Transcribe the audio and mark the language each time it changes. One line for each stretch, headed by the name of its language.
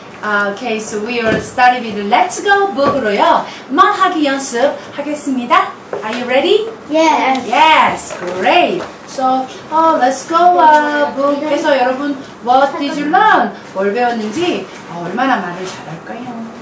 English: Okay, so we are study with Let's Go Book로요.
Korean: 말하기 연습 하겠습니다.
English: Are you ready? Yes. Yes. Great. So, let's go book.
Korean: 그래서 여러분,
English: what did you learn?
Korean: 뭘 배웠는지 얼마나 말을 잘할까요?